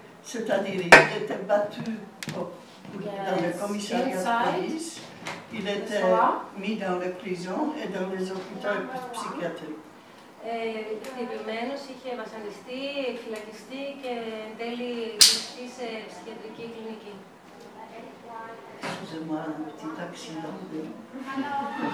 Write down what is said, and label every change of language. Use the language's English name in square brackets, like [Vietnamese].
[French] C'est-à-dire, il était battu dans le commissariat de police. Il était mis dans les prisons et dans les hôpitaux psychiatriques. [Greek] Είχε βασανιστεί, φυλακιστεί και εν τέλει κλειστεί σε ψυχιατρική κλινική. [French] Excusez-moi, un petit accident.